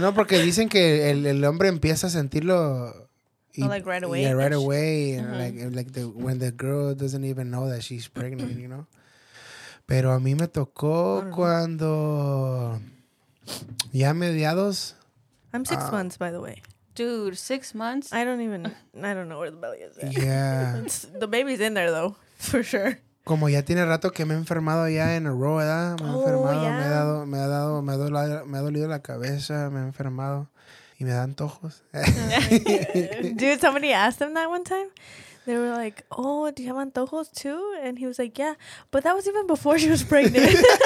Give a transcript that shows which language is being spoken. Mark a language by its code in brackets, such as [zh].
[es] No, porque dicen que el hombre empieza a sentirlo... [en] Y, like right away. Yeah, right away. Mm-hmm. And like the, when the girl doesn't even know that she's pregnant, you know? [es] Pero a mí me tocó cuando... Ya mediados... [en] I'm 6 months, by the way. Dude, 6 months? I don't know where the belly is at. Yeah. The baby's in there, though, for sure. [es] Como ya tiene rato que me he enfermado ya [en] en a row, [es] ¿verdad? Me he enfermado, yeah. me ha dolido la cabeza, me he enfermado y me da antojos. [en] Dude, somebody asked him that one time. They were like, oh, do you have antojos too? And he was like, yeah, but that was even before she was pregnant.